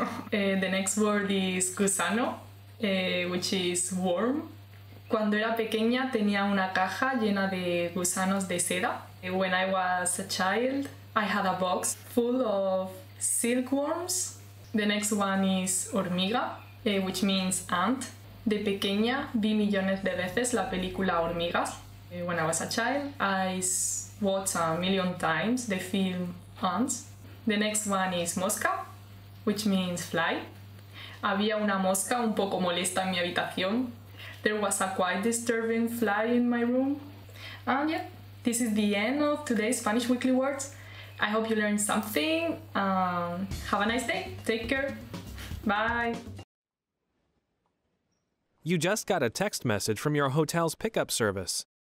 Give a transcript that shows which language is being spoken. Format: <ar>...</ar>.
<en>The next word is gusano, which is worm.</en> <es>Cuando era pequeña tenía una caja llena de gusanos de seda.</es> <en>When I was a child, I had a box full of silkworms. The next one is hormiga, which means ant.</en> <es>De pequeña vi millones de veces la película Hormigas.</es> <en>When I was a child, I watched a million times the film Ants. The next one is mosca, which means fly.</en> <es>Había una mosca un poco molesta en mi habitación.</es> <en>There was a quite disturbing fly in my room. And yeah, this is the end of today's Spanish Weekly Words. I hope you learned something. Have a nice day. Take care. Bye. You just got a text message from your hotel's pickup service.</en>